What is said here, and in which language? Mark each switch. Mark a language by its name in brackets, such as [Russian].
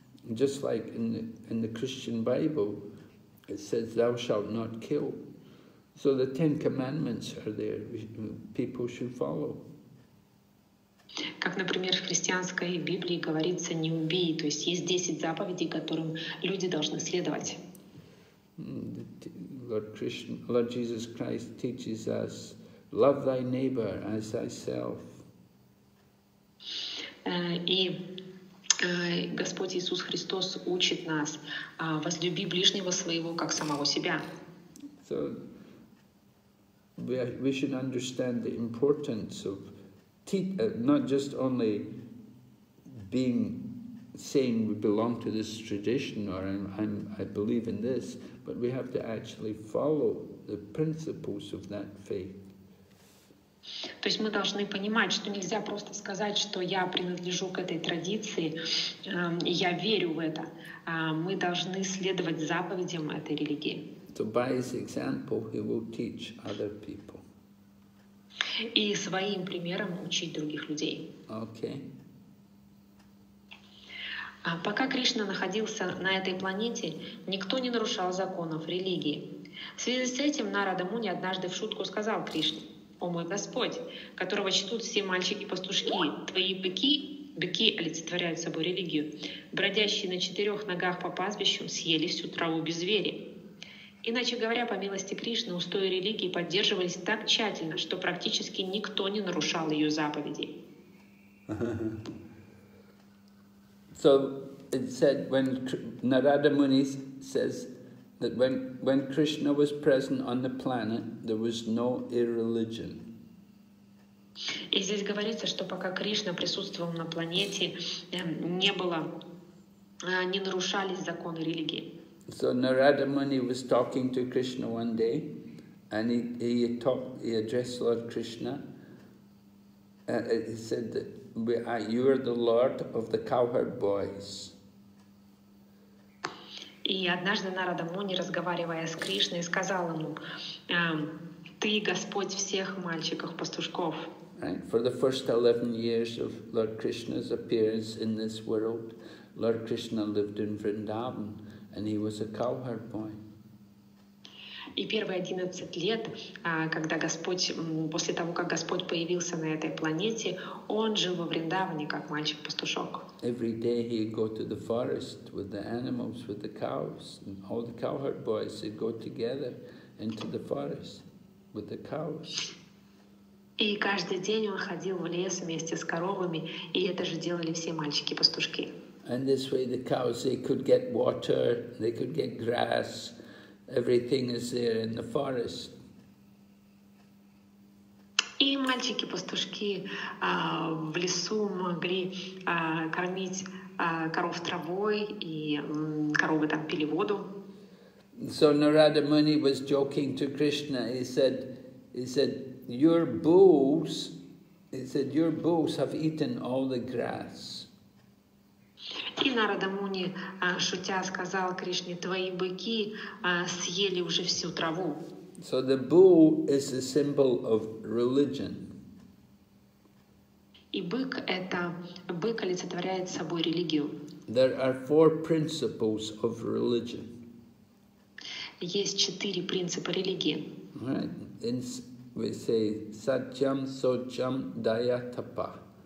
[English] Just like in the Christian Bible, it says, "Thou shalt not kill." So the Ten Commandments are there. People should follow. [Russian] Как, например, в христианской Библии говорится «не убий», то есть есть 10 заповедей, которым люди должны следовать. [English] Lord Krishna, Lord Jesus Christ teaches us, love thy neighbor as thyself. [Russian] И Господь Иисус Христос учит нас возлюби ближнего своего, как самого себя. [English] So, we should understand the importance of not just only being saying we belong to this tradition or I believe in this, but we have to actually follow the principles of that faith. [Russian] То есть мы должны понимать, что нельзя просто сказать, что я принадлежу к этой традиции, и я верю в это. Мы должны следовать заповедям этой религии. [English] So by his example, he will teach other people. [Russian] И своим примером учить других людей. [English] Okay. [Russian] Пока Кришна находился на этой планете, никто не нарушал законов религии. В связи с этим Нарада Муни однажды в шутку сказал Кришне: «О мой Господь, которого чтут все мальчики-пастушки, твои быки олицетворяют собой религию, бродящие на четырех ногах по пастбищу, съели всю траву без звери». Иначе говоря, по милости Кришны, устои религии поддерживались так тщательно, что практически никто не нарушал ее заповеди. [English] So it said when Narada Muni says that when Krishna was present on the planet, there was no irreligion. [Russian] И здесь говорится, что пока Кришна присутствовал на планете, не было, не нарушались законы религии. [English] So Narada Muni was talking to Krishna one day, and he addressed Lord Krishna. He said that you are the Lord of the cowherd boys. [Russian] И однажды Нарада Муни, разговаривая с Кришной, сказал ему: «Ты Господь всех мальчиков-пастушков». [English] Right. For the first 11 years of Lord Krishna's appearance in this world, Lord Krishna lived in Vrindavan. And he was a cowherd boy. [Russian] И первые 11 лет, когда Господь, после того, как Господь появился на этой планете, он жил во Вриндаване, как мальчик-пастушок. [English] Every day he'd go to the forest with the animals, with the cows, and all the cowherd boys would go together into the forest with the cows. [Russian] И каждый день он ходил в лес вместе с коровами, и это же делали все мальчики-пастушки. [English] And this way the cows, they could get water, they could get grass, everything is there in the forest. [Russian] И мальчики-пастушки в лесу могли кормить коров травой, и коровы там пили воду. [English] So Narada Muni was joking to Krishna. He said, your bulls have eaten all the grass. [Russian] И Нарада Муни, шутя, сказал Кришне: «Твои быки съели уже всю траву». [English] So the bull is a symbol of religion. [Russian] И бык олицетворяет собой религию. [English] There are four principles of religion. [Russian] Есть четыре принципа религии. [English] Right. We say satyam, socham, dayatapa.